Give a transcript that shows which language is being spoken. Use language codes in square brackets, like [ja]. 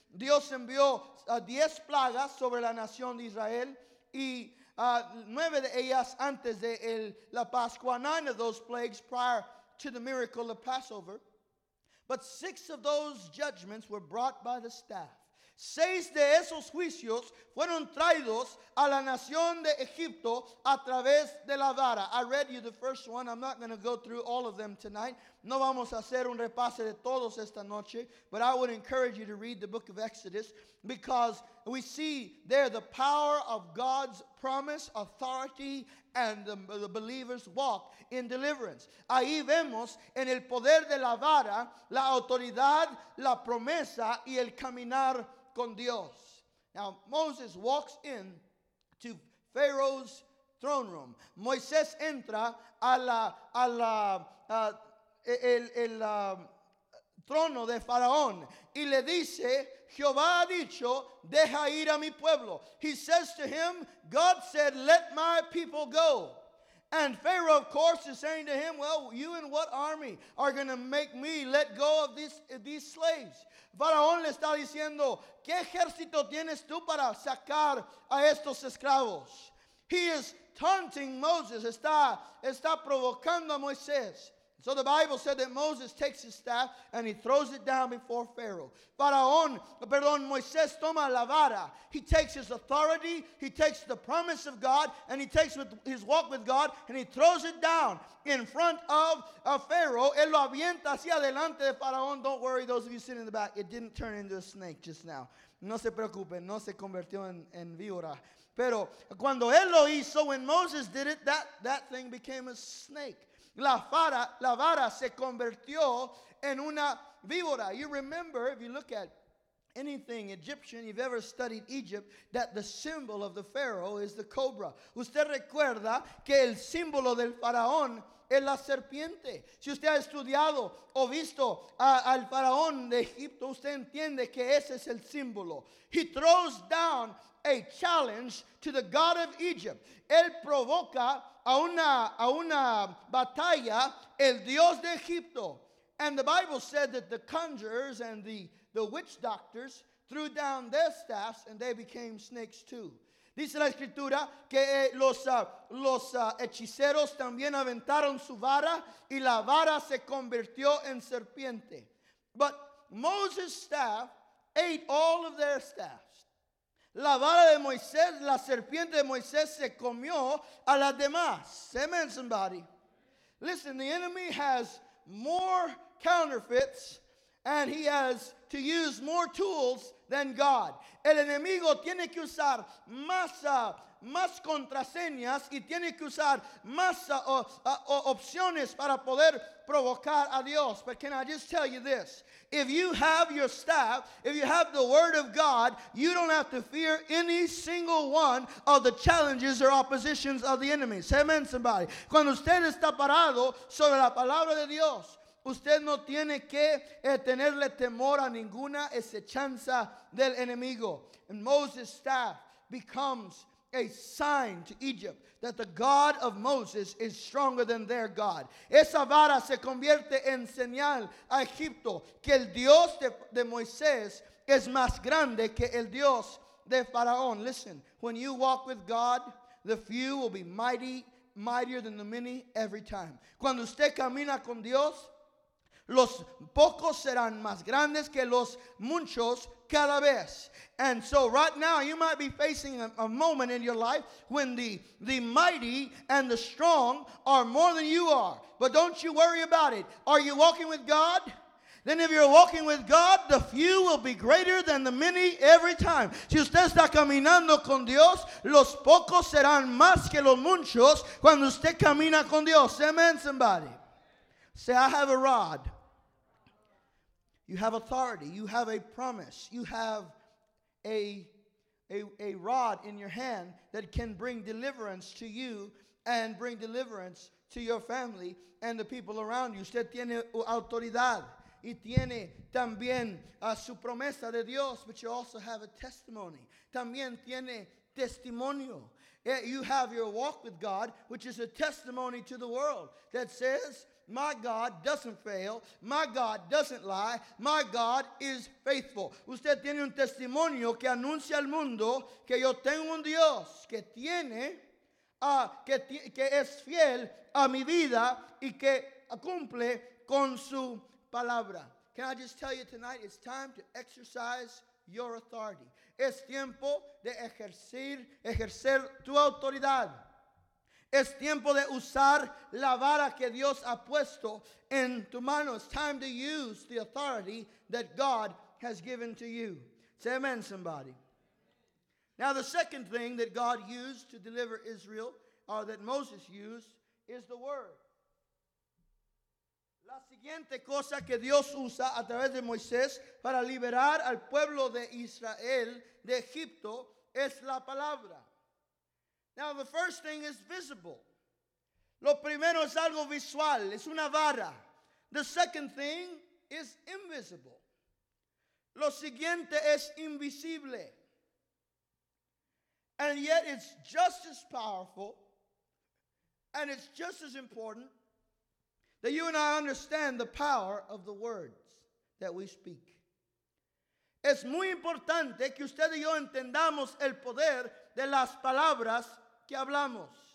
[es] Dios envió 10 plagas sobre la nación de Israel y 9 de ellas antes de la Pascua, [en] 9 of those plagues prior to the miracle of Passover. But 6 of those judgments were brought by the staff. [es] 6 de esos juicios fueron traídos a la nación de Egipto a través de la vara. [en] I read you the first one. I'm not going to go through all of them tonight. [es] No vamos a hacer un repaso de todos esta noche. [en] But I would encourage you to read the book of Exodus because we see there the power of God's promise, authority, and the believer's walk in deliverance. [es] Ahí vemos en el poder de la vara, la autoridad, la promesa, y el caminar con Dios. [en] Now, Moses walks in to Pharaoh's throne room. [es] Moisés entra trono de Faraón y le dice, Jehová ha dicho, deja ir a mi pueblo. [en] He says to him, God said, let my people go. And Pharaoh, of course, is saying to him, well, you and what army are going to make me let go of these slaves? [es] Faraón le está diciendo, ¿qué ejército tienes tú para sacar a estos esclavos? [en] He is taunting Moses, [es] está provocando a Moisés. [en] So the Bible said that Moses takes his staff and he throws it down before Pharaoh. [es] Moisés toma la vara. [en] He takes his authority, he takes the promise of God, and he takes his walk with God, and he throws it down in front of Pharaoh. [es] Él lo avienta hacia adelante de Faraón. [en] Don't worry, those of you sitting in the back, it didn't turn into a snake just now. [es] No se preocupen, no se convirtió en víbora. Pero cuando él lo hizo, [en] when Moses did it, that thing became a snake. [es] La vara se convirtió en una víbora. [en] You remember, if you look at anything Egyptian, you've ever studied Egypt, that the symbol of the Pharaoh is the cobra. [es] Usted recuerda que el símbolo del faraón es la serpiente. Si usted ha estudiado o visto al faraón de Egipto, usted entiende que ese es el símbolo. [en] He throws down a challenge to the god of Egypt. [es] Él provoca a una batalla el dios de Egipto. [en] And the Bible said that the conjurers and the witch doctors threw down their staffs and they became snakes too. [es] Dice la escritura que los hechiceros también aventaron su vara y la vara se convirtió en serpiente. [en] But Moses' staff ate all of their staffs. [es] La vara de Moisés, la serpiente de Moisés se comió a las demás. [en] Amen, somebody. Listen, the enemy has more counterfeits and he has to use more tools than God. [es] El enemigo tiene que usar más contraseñas y tiene que usar más opciones para poder provocar a Dios. [en] But can I just tell you this? If you have your staff, if you have the word of God, you don't have to fear any single one of the challenges or oppositions of the enemy. Say amen, somebody. [es] Cuando usted está parado sobre la palabra de Dios, usted no tiene que tenerle temor a ninguna acechanza del enemigo. [en] And Moses' staff becomes a sign to Egypt that the God of Moses is stronger than their God. [es] Esa vara se convierte en señal a Egipto que el Dios de Moisés es más grande que el Dios de Faraón. [en] Listen, when you walk with God, the few will be mightier than the many every time. [es] Cuando usted camina con Dios, los pocos serán más grandes que los muchos cada vez. [en] And so right now you might be facing a moment in your life when the mighty and the strong are more than you are. But don't you worry about it. Are you walking with God? Then if you're walking with God, the few will be greater than the many every time. [es] Si usted está caminando con Dios, los pocos serán más que los muchos cuando usted camina con Dios. [en] Amen, somebody. Say, I have a rod. You have authority. You have a promise. You have a rod in your hand that can bring deliverance to you and bring deliverance to your family and the people around you. [es] Usted tiene autoridad y tiene también su promesa de Dios, [en] but you also have a testimony. [es] También tiene testimonio. [en] You have your walk with God, which is a testimony to the world that says, my God doesn't fail. My God doesn't lie. My God is faithful. [es] Usted tiene un testimonio que anuncia al mundo que yo tengo un Dios que tiene, que es fiel a mi vida y que cumple con su palabra. [en] Can I just tell you tonight, it's time to exercise your authority. [es] Es tiempo de ejercer tu autoridad. Es tiempo de usar la vara que Dios ha puesto en tu mano. [en] It's time to use the authority that God has given to you. Say amen, somebody. Now, the second thing that God used to deliver Israel, or that Moses used, is the word. [es] La siguiente cosa que Dios usa a través de Moisés para liberar al pueblo de Israel de Egipto es la palabra. [en] Now, the first thing is visible. [es] Lo primero es algo visual, es una vara. [en] The second thing is invisible. [es] Lo siguiente es invisible. [en] And yet it's just as powerful, and it's just as important that you and I understand the power of the words that we speak. [es] Es muy importante que usted y yo entendamos el poder de las palabras que hablamos.